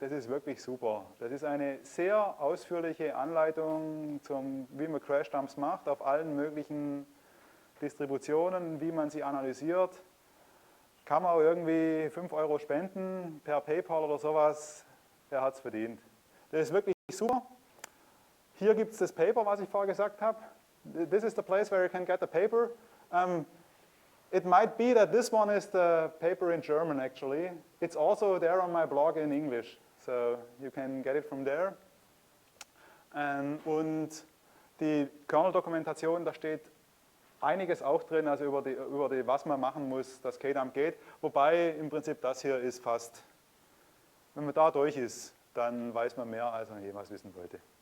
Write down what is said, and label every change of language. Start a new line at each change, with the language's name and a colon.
German: Das ist wirklich super. Das ist eine sehr ausführliche Anleitung, wie man Crash-Dumps macht, auf allen möglichen Distributionen, wie man sie analysiert. Kann man auch irgendwie 5 Euro spenden per PayPal oder sowas, der hat es verdient. Das ist wirklich super. Hier gibt es das Paper, was ich vorher gesagt habe.
English: This is the place where you can get the paper. It might be that this one is the paper in German actually. It's also there on my blog in English. So you can get it from there.
German: Und die Kernel-Dokumentation, da steht einiges auch drin, also über die, was man machen muss, dass KDump geht. Wobei im Prinzip das hier ist fast, wenn man da durch ist, dann weiß man mehr, als man jemals wissen wollte.